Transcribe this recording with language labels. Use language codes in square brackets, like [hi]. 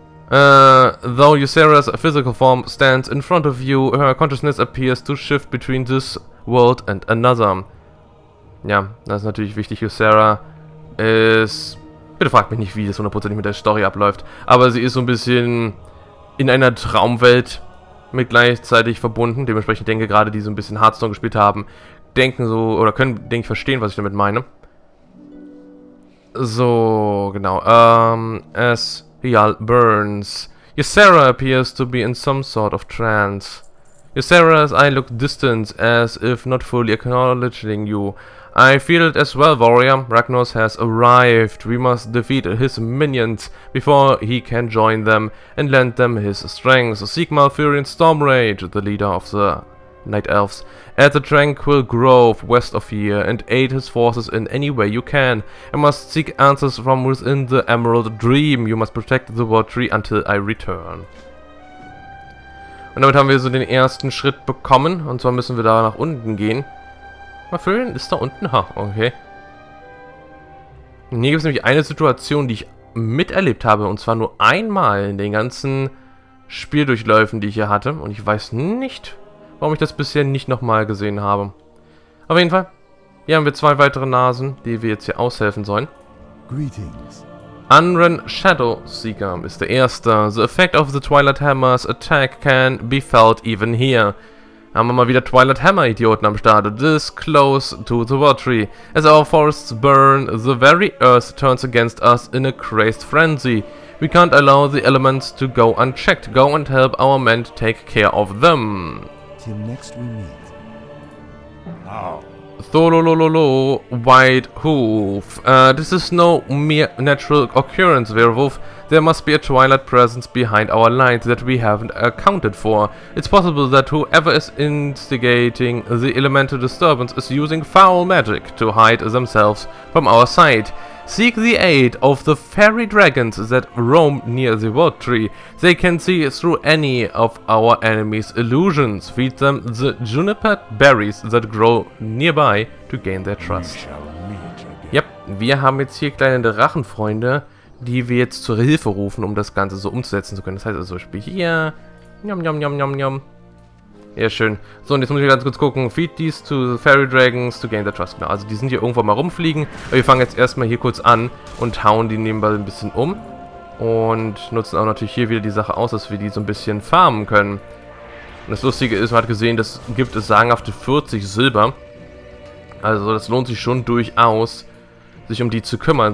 [en] Though Ysera's physical form stands in front of you, her consciousness appears to shift between this world and another. [de] Ja, das ist natürlich wichtig. Ysera ist... Bitte fragt mich nicht, wie das hundertprozentig mit der Story abläuft. Aber sie ist so ein bisschen in einer Traumwelt mit gleichzeitig verbunden. Dementsprechend denke ich gerade, die so ein bisschen Hearthstone gespielt haben, denken so, oder können, denke ich, verstehen, was ich damit meine. So, genau. [en] As Hyal burns, Ysera appears to be in some sort of trance. Ysera's eye looks distant, as if not fully acknowledging you. I feel it as well, warrior. Ragnaros has arrived. We must defeat his minions before he can join them and lend them his strength. Sigmar Furion Stormrage, the leader of the Night Elves, at the tranquil grove west of here and aid his forces in any way you can. I must seek answers from within the Emerald Dream. You must protect the World Tree until I return. [de] Und damit haben wir so den ersten Schritt bekommen. Und zwar müssen wir da nach unten gehen. Mal füllen, ist da unten? Ha, okay. Und hier gibt es nämlich eine Situation, die ich miterlebt habe. Und zwar nur einmal in den ganzen Spieldurchläufen, die ich hier hatte. Und ich weiß nicht, warum ich das bisher nicht nochmal gesehen habe. Auf jeden Fall, hier haben wir zwei weitere Nasen, die wir jetzt hier aushelfen sollen. [en] Greetings. [de] Unren Shadow Seeker ist der erste. [en] The effect of the Twilight Hammer's attack can be felt even here. [de] Da haben wir mal wieder Twilight Hammer Idioten am Start. [en] This close to the World Tree. As our forests burn, the very earth turns against us in a crazed frenzy. We can't allow the elements to go unchecked. Go and help our men take care of them. Thololololo, White Hoof. This is no mere natural occurrence, Werewolf. There must be a twilight presence behind our lines that we haven't accounted for. It's possible that whoever is instigating the elemental disturbance is using foul magic to hide themselves from our sight. Seek the aid of the fairy dragons that roam near the world tree. They can see through any of our enemies' illusions. Feed them the juniper berries that grow nearby to gain their trust. [de] Yep, wir haben jetzt hier kleine Drachenfreunde, die wir jetzt zur Hilfe rufen, um das Ganze so umzusetzen zu können. Das heißt also, ich bin hier. Njom, njom, njom, njom, njom. Ja, schön. So, und jetzt muss ich ganz kurz gucken. [en] Feed these to the fairy dragons to gain their trust. [de] Genau, also die sind hier irgendwo mal rumfliegen. Aber wir fangen jetzt erstmal hier kurz an und hauen die nebenbei ein bisschen um. Und nutzen auch natürlich hier wieder die Sache aus, dass wir die so ein bisschen farmen können. Und das Lustige ist, man hat gesehen, das gibt es sagenhafte 40 Silber. Also das lohnt sich schon durchaus, sich um die zu kümmern.